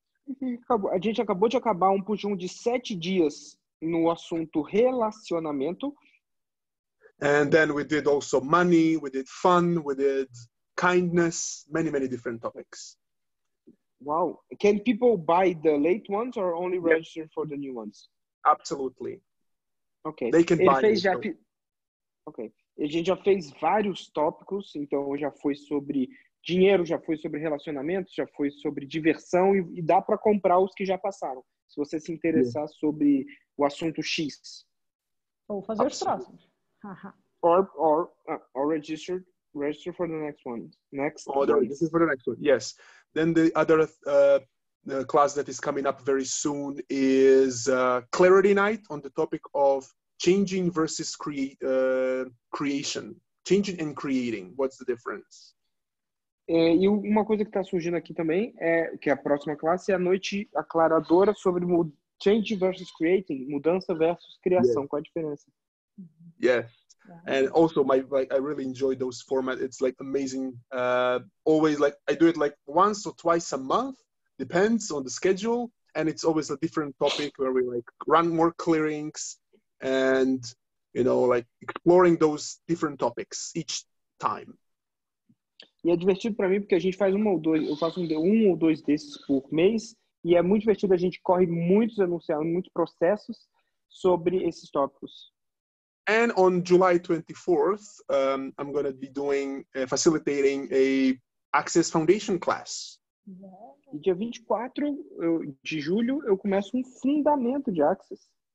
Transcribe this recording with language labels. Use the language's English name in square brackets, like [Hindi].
[Portuguese] A gente acabou de acabar um puxão de 7 dias no assunto relacionamento. [English] And then we did also money, we did fun, we did kindness, many, many different topics. Wow. Can people buy the late ones or only register for the new ones? Absolutely. Okay. They can buy it. Ok. [Portuguese] A gente já fez vários tópicos, então já foi sobre dinheiro, já foi sobre relacionamentos, já foi sobre diversão e dá para comprar os que já passaram, se você se interessar sobre o assunto X. Ou fazer os próximos. [English] Or register for the next one. Next. Register for the next one. Yes. Then the other class that is coming up very soon is Clarity Night on the topic of changing versus creation. Changing and creating. What's the difference? [Portuguese] E uma coisa que está surgindo aqui também é que a próxima classe é a noite aclaradora sobre [English] change versus creating, [Portuguese] mudança versus criação. Yes. Qual a diferença? [English] Yes. And also, I really enjoy those formats. It's like amazing. Always like, I do it like once or twice a month. Depends on the schedule. And it's always a different topic where we like run more clearings. And, you know, like exploring those different topics each time. [Portuguese] E é divertido para mim porque a gente faz um ou dois desses por mês e é muito divertido, a gente corre muitos anunciados, muitos processos sobre esses tópicos. [English] And on July 24th, I'm going to be doing facilitating a Access Foundation class. [Portuguese] E dia 24 de julho eu começo um fundamento de Access.